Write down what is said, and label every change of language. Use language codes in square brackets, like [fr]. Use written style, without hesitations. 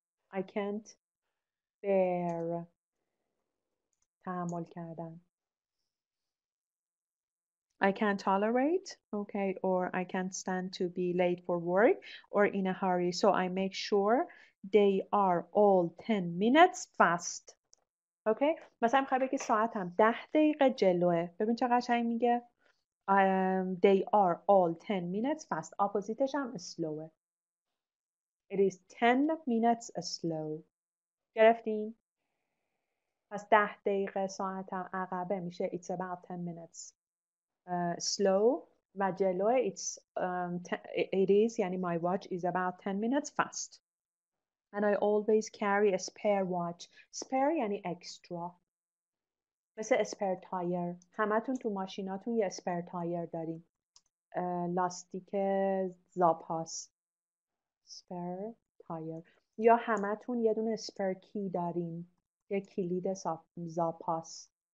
[en] I can't bear. [fa] تحمل کردن. [en] I can't tolerate, okay, or I can't stand to be late for work or in a hurry. So I make sure they are all 10 minutes fast. [fa] Okay, مثلا میخوای بگی ساعتم 10 دقیقه جلوه. ببین چه قشنگ میگه. [en] They are all 10 minutes fast. Opposite‌ش هم slowه. It is 10 minutes slow. [fa] گرفتین؟ پس 10 دقیقه ساعتم عقبه میشه. [en] It's about 10 minutes. Slow و جلوه it's it is یعنی my watch is about 10 minutes fast and I always carry a spare watch. Spare یعنی extra، مثل spare tire. [fa] همتون تو ماشیناتون یه spare tire دارین، لاستیک زاپاس spare tire، یا همتون یه دونه spare key دارین، یه کلید زاپاس.